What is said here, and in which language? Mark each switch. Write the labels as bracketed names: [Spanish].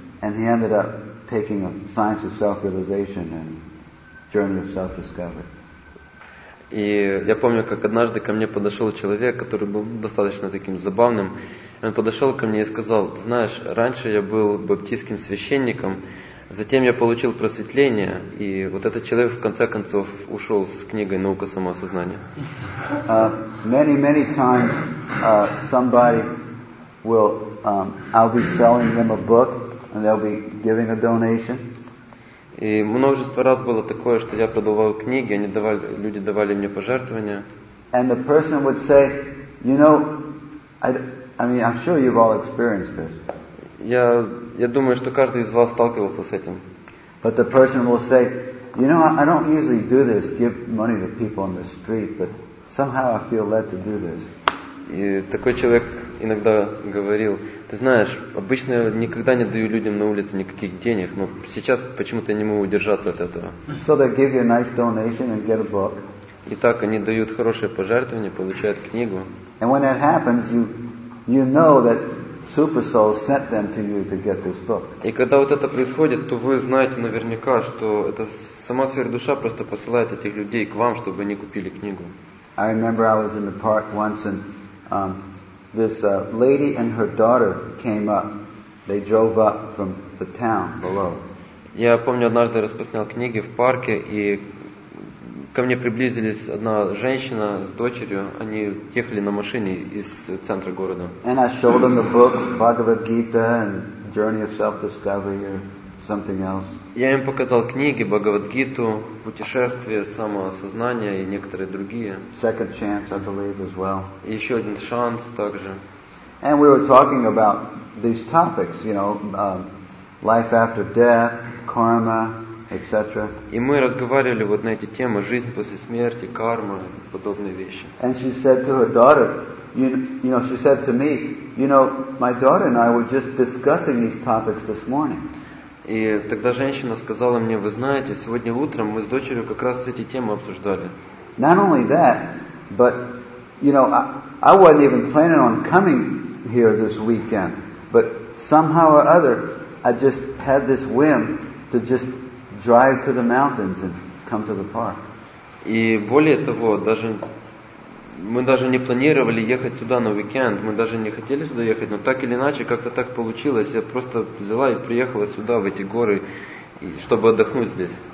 [English] And he ended up taking a science of self-realization and journey of self-discovery. [Russian] И я помню, как однажды ко мне подошел человек, который был достаточно таким забавным. Он подошел ко мне и сказал: "Знаешь, раньше я был баптистским священником." Затем я получил просветление, и вот этот человек в конце концов ушел с книгой «Наука самоосознания». [English] Many times somebody will, I'll be selling them a book, and they'll be giving a donation. [Russian] И множество раз было такое, что я продавал книги, они давали, люди давали мне пожертвования. [English] And the person would say, you know, I mean, I'm sure you've all experienced this. [Russian] Я думаю, что каждый из вас сталкивался с этим. [English] But the person will say, you know, I don't usually do this, give money to people on the street, but somehow I feel led to do this. [Russian] И такой человек иногда говорил: ты знаешь, обычно я никогда не даю людям на улице никаких денег, но сейчас почему-то я не могу удержаться от этого. [English] So they give you a nice donation and get a book. [Russian] Итак, они дают хорошее пожертвование, получают книгу. [English] And when that happens, you know that Super Soul sent them to you to get this book. [Russian] И когда вот это происходит, то вы знаете наверняка, что это сама сверхдуша просто посылает этих людей к вам, чтобы они купили книгу. [English] I remember I was in the park once, and this lady and her daughter came up. They drove up from the town below. [Russian] Я помню, однажды распространял книги в парке, и ко мне приблизились одна женщина с дочерью. Они ехали на машине из центра города. [English] And I showed them the books, Bhagavad Gita and Journey of Self-Discovery or something else. [Russian] Я им показал книги Бхагавад Гиту, путешествие, самоосознание и некоторые другие. [English] Second Chance, I believe, as well. [Russian] И еще один шанс также. [English] And we were talking about these topics, you know, life after death, karma. [Russian] И мы разговаривали вот на эти темы: жизнь после смерти, карма, подобные вещи. [English] And she said to her daughter, you know, she said to me, you know, my daughter and I were just discussing these topics this morning. [Russian] И тогда женщина сказала мне: вы знаете, сегодня утром мы с дочерью как раз эти темы обсуждали. [English] Not only that, but you know, I wasn't even planning on coming here this weekend, but somehow or other, I just had this whim to just drive to the mountains and come to the park. [Russian] И более того, мы даже не планировали ехать сюда на уикенд. Мы даже не хотели сюда ехать, но так или иначе как-то так получилось. Я просто взяла и приехала сюда в эти горы, чтобы отдохнуть здесь.